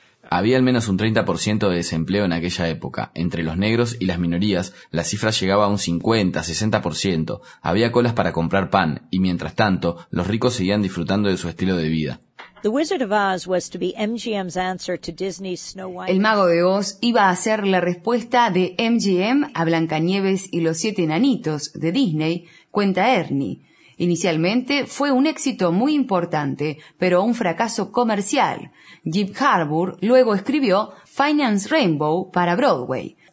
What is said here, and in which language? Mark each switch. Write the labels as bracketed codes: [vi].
[es] Había al menos un 30% de desempleo en aquella época. Entre los negros y las minorías, la cifra llegaba a un 50-60%. Había colas para comprar pan, y mientras tanto, los ricos seguían disfrutando de su estilo de vida. [en] The Wizard of Oz was to be MGM's answer to Disney's Snow White. [es] El Mago de Oz iba a ser la respuesta de MGM a Blancanieves y los Siete Enanitos de Disney, cuenta Ernie. Inicialmente fue un éxito muy importante, pero un fracaso comercial. Jim Harbour luego escribió Finance Rainbow para Broadway.